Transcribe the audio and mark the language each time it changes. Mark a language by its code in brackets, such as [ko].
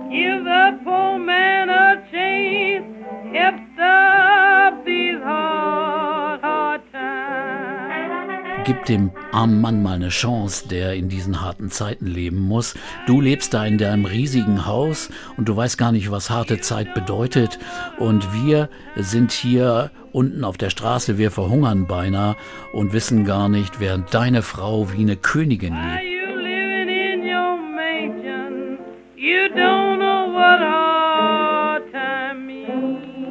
[en] Give the poor man a chance, help stop these hard, hard times. [de] Gib dem armen Mann mal eine Chance, der in diesen harten Zeiten leben muss. Du lebst da in deinem riesigen Haus und du weißt gar nicht, was harte Zeit bedeutet. Und wir sind hier unten auf der Straße, wir verhungern beinahe und wissen gar nicht, während deine Frau wie eine Königin lebt. [en] Why you living in your mansion? You don't know what hard time means.